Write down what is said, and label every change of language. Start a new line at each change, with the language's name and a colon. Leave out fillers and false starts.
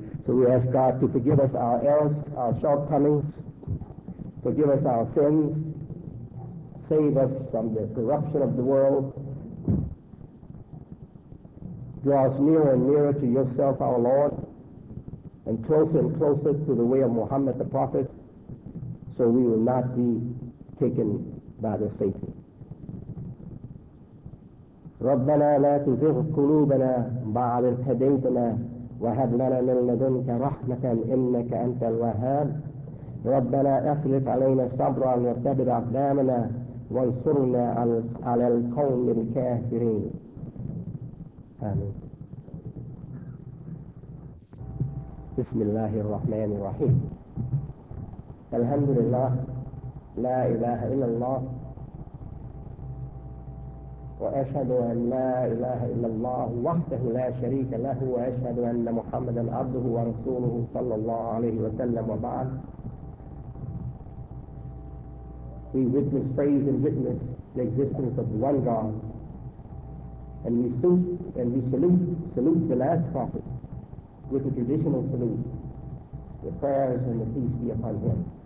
English: So we ask God to forgive us our errors, our shortcomings, forgive us our sins, save us from the corruption of the world, draw us nearer and nearer to yourself, our Lord, and closer and closer to the way of Muhammad the Prophet, so we will not be taken by the Satan.
Arabic: ربنا لا تزغ قلوبنا بعد إذ هديتنا وهب لنا من لدنك رحمة إنك أنت الوهاب. ربنا أخلف علينا صبرا وثبت أقدامنا وانصرنا على القوم الكافرين. آمين. بسم الله الرحمن الرحيم. الحمد لله لا إله إلا الله وأشهد أن لا إله إلا الله وحده لا شريك له وأشهد أن محمدا عبده ورسوله صلى الله عليه وسلم وبعد.
English: We witness, praise and witness the existence of one God, and we salute the last prophet with the traditional salute, the prayers and the peace be upon him.